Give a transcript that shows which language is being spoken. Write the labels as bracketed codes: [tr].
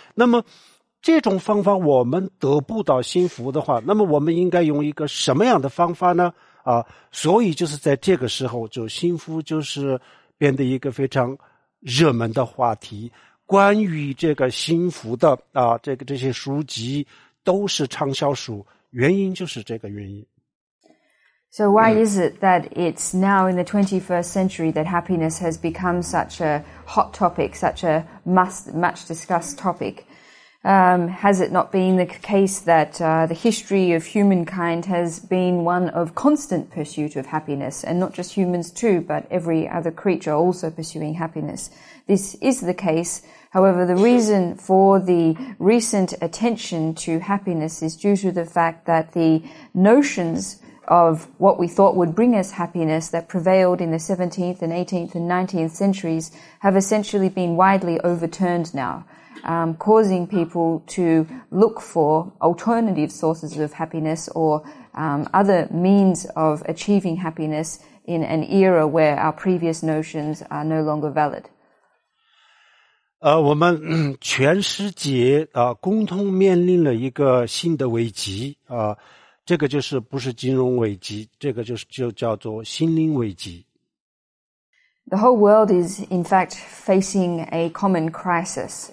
[zh] 那么这种方法我们得不到幸福的话，那么我们应该用一个什么样的方法呢？啊，所以就是在这个时候，就幸福就是变得一个非常热门的话题，关于这个幸福的啊，这些书籍都是畅销书。原因就是这个原因。 [en] So why is it that it's now in the 21st century that happiness has become such a hot topic, such a much discussed topic? Has it not been the case that the history of humankind has been one of constant pursuit of happiness, and not just humans too, but every other creature also pursuing happiness? This is the case. However, the reason for the recent attention to happiness is due to the fact that the notions of what we thought would bring us happiness that prevailed in the 17th and 18th and 19th centuries have essentially been widely overturned now, causing people to look for alternative sources of happiness or other means of achieving happiness in an era where our previous notions are no longer valid. [zh] 我们全世界共同面临了一个新的危机啊，这个就是不是金融危机，这个就叫做心灵危机。 [en] The whole world is, in fact, facing a common crisis.